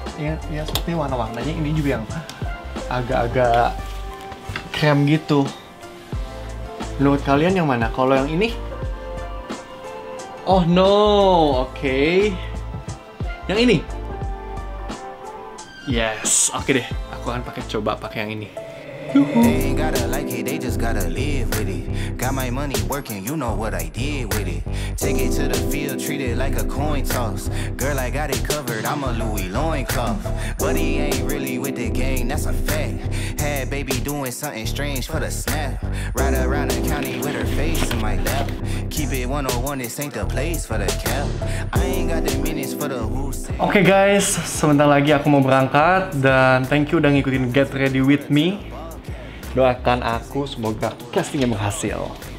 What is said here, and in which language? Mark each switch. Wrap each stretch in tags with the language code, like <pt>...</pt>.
<id>Ya seperti warna-warnanya ini juga yang agak-agak krem gitu. Menurut kalian yang mana? Kalau yang ini?</id> <en>Oh no, okay.</en> <id>Yang ini.</id> <en>Yes, okay deh.</en> <id>Aku akan pakai coba pakai yang ini.</id> <en>They ain't gotta like it, they just gotta live with it. Got my money working, you know what I did with it. Take it to the field, treat it like a coin toss. Girl, I got it covered, I'm a Louis Loincloth. But he ain't really with the gang, that's a fact. Had baby doing something strange for the snap. Ride around the county with her face in my lap. Keep it 101, this ain't the place for the cap. I ain't got the minutes for the who's.</en> <id>Okay guys, sebentar lagi aku mau berangkat. Dan thank you udah ngikutin Get Ready With Me. Doakan aku semoga castingnya berhasil.</id>